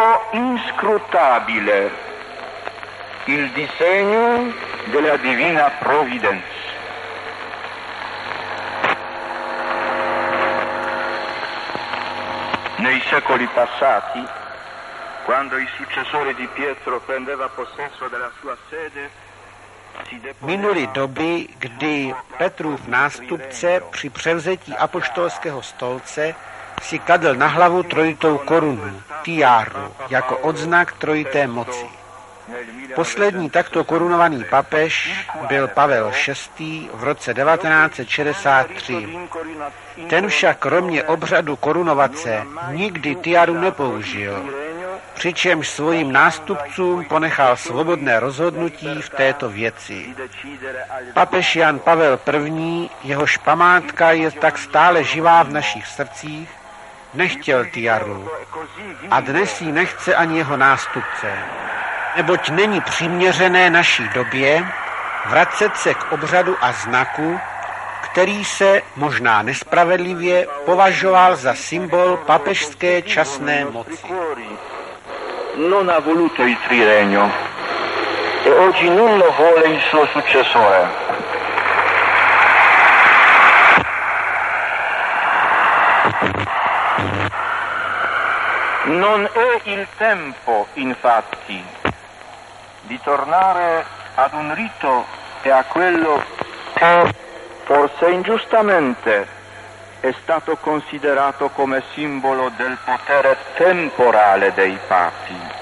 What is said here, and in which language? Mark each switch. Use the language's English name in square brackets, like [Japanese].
[Italian] Inscrutabile il disegno della divina provvidenza. Nei secoli passati, quando il successore di Pietro prendeva possesso della sua sede, [Czech] minuli doby, kdy Petrův nástupce při převzetí apoštolského stolce si kladl na hlavu trojitou korunu, tiáru, jako odznak trojité moci. Poslední takto korunovaný papež byl Pavel VI. V roce 1963. Ten však kromě obřadu korunovace nikdy tiáru nepoužil, přičemž svým nástupcům ponechal svobodné rozhodnutí v této věci. Papež Jan Pavel I., jehož památka je tak stále živá v našich srdcích, nechtěl tiaru a dnes ji nechce ani jeho nástupce, neboť není přiměřené naší době vracet se k obřadu a znaku, který se možná nespravedlivě považoval za symbol papežské časné moci. [Italian] Non ha voluto il trirenio e oggi non lo vuole il suo successore. Non è il tempo, infatti, di tornare ad un rito e a quello che, forse ingiustamente, è stato considerato come simbolo del potere temporale dei papi.